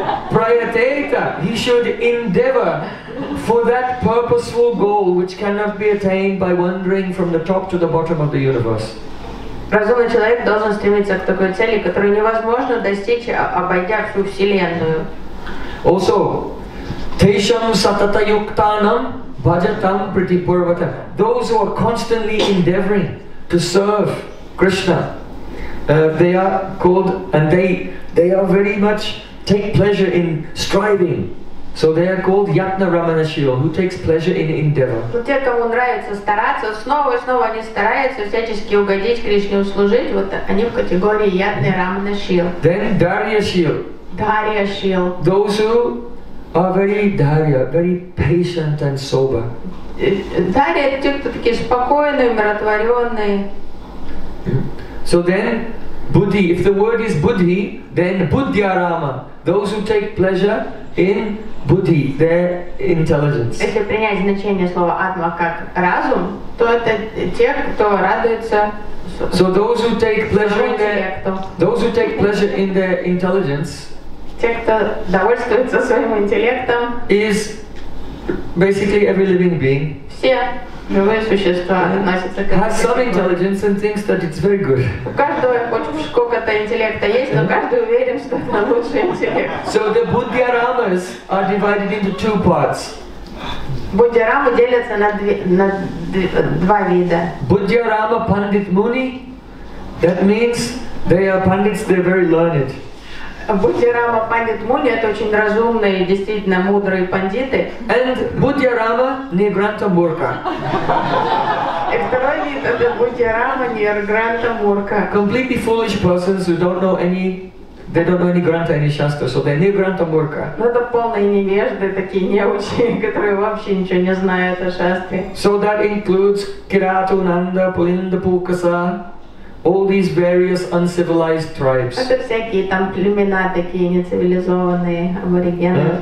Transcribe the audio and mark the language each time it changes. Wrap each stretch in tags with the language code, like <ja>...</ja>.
<en>Prayateta, he should endeavor for that purposeful goal which cannot be attained by wandering from the top to the bottom of the universe.</en> <ru>Разумный человек должен стремиться к такой цели, которую невозможно достичь, обойдя всю вселенную.</ru> <sa>Also, tesham satata yuktanam bhajatam pratipurvata.</sa> <en>Those who are constantly endeavoring to serve Krishna, they are called, and they are very much take pleasure in striving. So they are called Yatna Ramana Shiro, who takes pleasure in endeavor.</en> <ru>Те, кому нравится стараться, снова и снова они стараются всячески угодить Кришне, услужить, вот они в категории Yatna Ramana Shiro.</ru> <en>Then Darya Shiro.</en> <sa>Darya Shiro.</sa> <en>Those who are very Darya, very patient and sober.</en> <ru>Darya — это те, кто такие спокойные, умиротворенные.</ru> <en>So then, buddhi. If the word is buddhi, then buddhyarama. Those who take pleasure in buddhi, their intelligence.</en> <ru>Если принять значение слова атма как разум, то это те, кто радуется</ru> <en>So those who take pleasure in the, those who take pleasure in their intelligence,</en> <ru>те, кто довольствуется своим интеллектом,</ru> <en>is basically every living being.</en> <ru>Все живые существа относятся к этому.</ru> <en>Has some intelligence and thinks that it's very good.</en> <ru>У каждого хоть сколько-то интеллекта есть, но каждый уверен, что это лучший интеллект.</ru> <en>So the Buddhi-ramas are divided into two parts.</en> <ru>Буддхи-рамы делятся на два вида.</ru> <en>Буддхи-рама Пандит Муни, that means they are pandits, they're very learned.</en> <ru>Буддхи-рама Пандит Муни – это очень разумные, действительно мудрые пандиты.</ru> <en>And Буддхи-рама Нигранта Мурка.</en> <ru>И второй вид – это Буддхи-рама Нигранта Мурка.</ru> <en>Completely foolish persons who don't know any. They don't know any granta, any shastra, so they're nigranta murka.</en> <ru>Ну это полные невежды, такие неучи, которые вообще ничего не знают о шастре.</ru> <en>So that includes Kirata, Nanda, Pulinda, Pukasa, all these various uncivilized tribes.</en> <ru>Это всякие там племена такие нецивилизованные, аборигены.</ru>